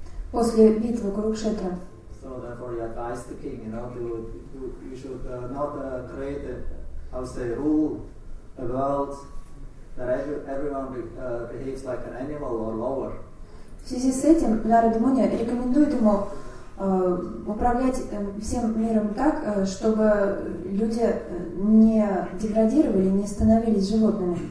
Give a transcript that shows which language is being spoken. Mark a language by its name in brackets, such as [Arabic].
[Russian] После битвы Курукшетра. [English] So therefore, you advise the king, you know, you should not create, rule a world that everyone behaves like an animal or lower. [Russian] В связи с этим Нарада Муни рекомендует ему управлять всем миром так, чтобы люди не деградировали, не становились животными.